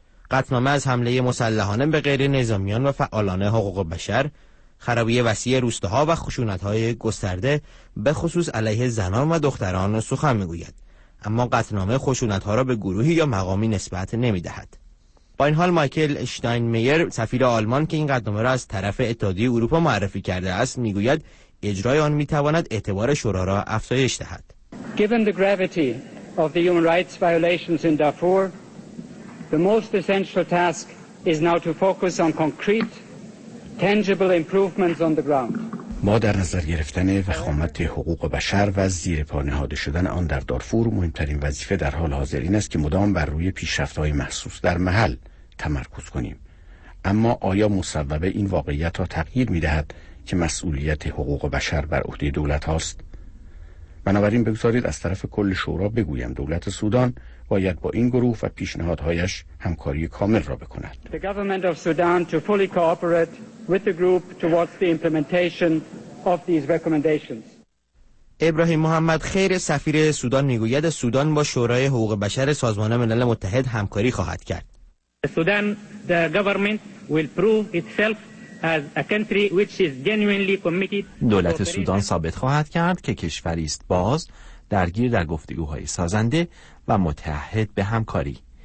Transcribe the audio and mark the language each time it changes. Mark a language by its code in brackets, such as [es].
[fa] قطعنامه از حمله مسلحانه به غیر نظامیان و فعالان حقوق بشر، خرابی وسیع روستاها و خشونت‌های گسترده به خصوص علیه زنان و دختران سخن می‌گوید، اما قطعنامه خشونت‌ها را به گروهی یا مقامی نسبت نمی‌دهد. با این حال مایکل اشتاین میر سفیر آلمان که این قطعنامه را از طرف اتحادیه اروپا معرفی کرده است میگوید اجرای آن میتواند اعتبار شورا را افزایش دهد. [en] Given the gravity of the human rights violations in Darfur, the most essential task is now to focus on concrete, tangible improvements on the ground. [fa] ما در نظر گرفتن وخامت حقوق بشر و زیر پا نهاده شدن آن در دارفور مهمترین وظیفه در حال حاضر این است که مدام بر روی پیشرفت‌های محسوس در محل تمرکز کنیم. اما آیا مصوبه این واقعیت را تغییر می‌دهد که مسئولیت حقوق بشر بر عهده دولت هاست؟ بنابراین بگذارید از طرف کل شورا بگویم دولت سودان باید با این گروه و پیشنهادهایش همکاری کامل را بکند. [en] The government of Sudan to fully cooperate with the group towards the implementation of these recommendations. [fa] ابراهیم محمد خیر سفیر سودان میگوید سودان با شورای حقوق بشر سازمان ملل متحد همکاری خواهد کرد. [en] The Sudan the government will prove itself as a country which is genuinely committed. [fa] دولت سودان ثابت خواهد کرد که کشوری است باز درگیر در گفتگوهای سازنده و متعهد به همکاری.